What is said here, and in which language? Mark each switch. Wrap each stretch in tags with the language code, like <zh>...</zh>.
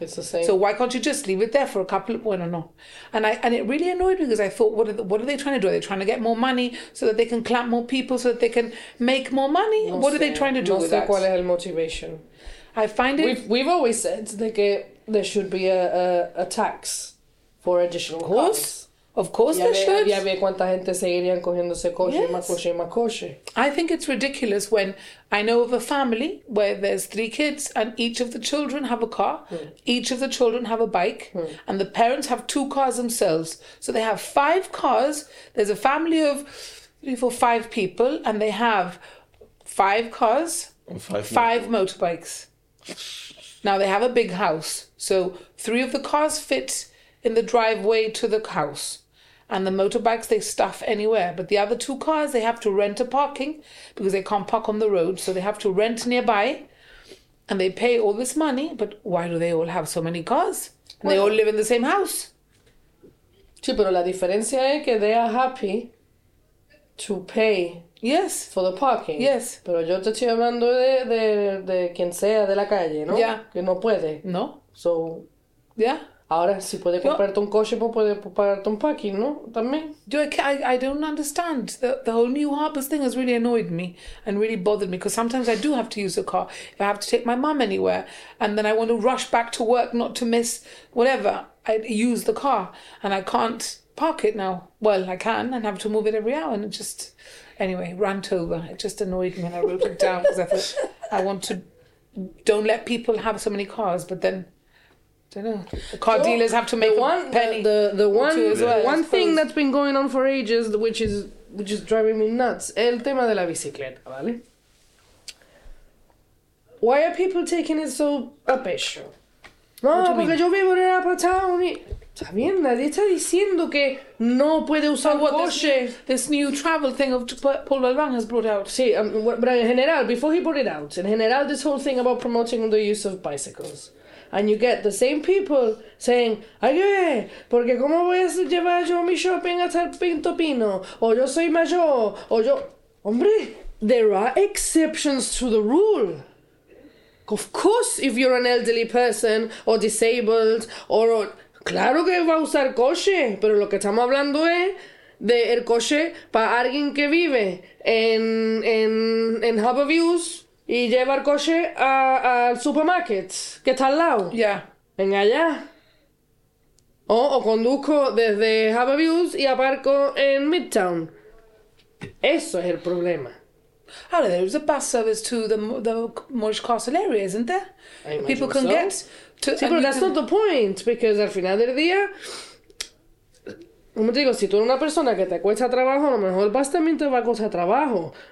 <en>So why can't you just leave it there for a couple of... Well, no. And it really annoyed me because I thought, what are they trying to do? Are they trying to get more money so that they can clamp more people so that they can make more money? What are they trying to do with that?</en> <es>No sé cuál es el motivation.</es> <en>I find it... We've always said that there should be a tax for additional cars. Of course, there should.</en> <es>Ya ve cuánta gente seguiría cogiéndose coche, más coche, más coche.</es> <en>I think it's ridiculous when I know of a family where there's 3 kids and each of the children have a car, each of the children have a bike, and the parents have 2 cars themselves. So they have 5 cars. There's a family of 3, 4, 5 people and they have 5 cars, and five motorbikes. Now they have a big house. So 3 of the cars fit in the driveway to the house. And the motorbikes, they stuff anywhere. But the other 2 cars, they have to rent a parking because they can't park on the road. So they have to rent nearby. and they pay all this money, but why do they all have so many cars? And they all live in the same house.</en> <es>Sí, pero la diferencia es que</es> <en>they are happy to pay. Yes. For the parking. Yes.</en> <es>Pero yo te estoy hablando de quien sea de la calle, ¿no?</es> <en>Yeah.</en> <es>Que no puede. No.</es> <en>So. Yeah.</en> <es>Ahora, si puede comprarte un coche, pues puede pagarte un parking, ¿no? También.</es> <en>Yo, I don't understand. The whole New Harpers thing has really annoyed me and really bothered me, because sometimes I do have to use a car if I have to take my mom anywhere, and then I want to rush back to work not to miss whatever. I use the car and I can't park it now. Well, I can and have to move it every hour, and it just... Anyway, rant over. It just annoyed me and I wrote it down because I thought, I want to... Don't let people have so many cars, but then... I don't know. The car dealers have to make one penny. One thing that's been going on for ages, which is driving me nuts,</en> <es>el tema de la bicicleta, ¿vale?</es> <en>Why are people taking it so</en> <es>a pecho? No, porque yo vivo en el apartado. Está bien, nadie está diciendo que no puede usar un coche.</es> <en>This new travel thing of Paul Valban has brought out. Sí, but in general, before he brought it out, in general, this whole thing about promoting the use of bicycles. And you get the same people saying,</en> <es>ay, porque cómo voy a llevar yo mi shopping hasta el Pinto Pino? O yo soy mayor, o yo... Hombre,</es> <en>there are exceptions to the rule. Of course, if you're an elderly person, or disabled, or...</en> <es>Claro que va a usar coche, pero lo que estamos hablando es de el coche para alguien que vive en Harbor Views y lleva el coche al supermarket que está al lado. Ya. Yeah. Venga ya. O conduzco desde Harbor Views y aparco en Midtown. Eso es el problema. Ahora,</es> <en>there's a bus service to the Moorish Castle area, isn't there? People can get...</en> <es>Sí, pero</es> <en>that's not the point, because</en> <es>al final del día, como te digo, si tú eres una persona que te cuesta trabajo, a lo mejor el bus también te va a costar trabajo.</es>